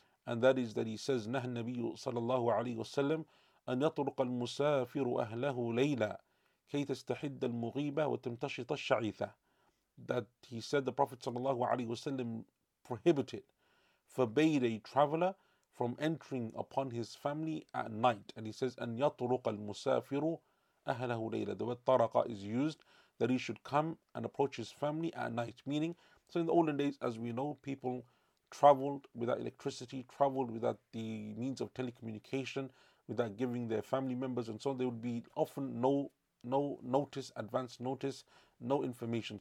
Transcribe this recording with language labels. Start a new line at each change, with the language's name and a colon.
English: And that is that he says,
Arabic: نَهَ النَّبِيُّ صَلَى اللَّهُ عَلَيْهِ وَسَلَّمُ أَنْ يَطْرُقَ الْمُسَافِرُ أَهْلَهُ لَيْلًا كَيْ تَسْتَحِدَّ الْمُغِيبَةَ وَتَمْتَشِطَ الشَّعِيثَةَ.
English: That he said the Prophet sallallahu alayhi wa sallam prohibited forbade a traveler from entering upon his family at night. And he says,
Arabic: أَنْ يَطْرُقَ الْمُسَافِرُ أَهْلَهُ لَيْلًا.
English: The word طَرَقَ is used that he should come and approach his family at night. Meaning, so in the olden days, as we know, people traveled without electricity, traveled without the means of telecommunication, without giving their family members and so on. There would be often no advance notice, no information.